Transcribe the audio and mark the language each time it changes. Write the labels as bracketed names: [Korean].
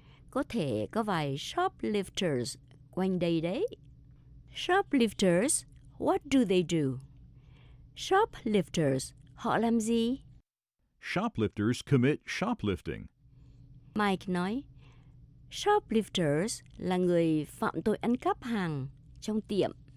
[Vietnamese] Có thể có vài shoplifters quanh đây đấy. [English] Shoplifters, what do they do? [Vietnamese] Shoplifters, họ làm gì? [English] Shoplifters commit shoplifting. [Vietnamese] Mike nói, shoplifters là người phạm tội ăn cắp hàng trong tiệm.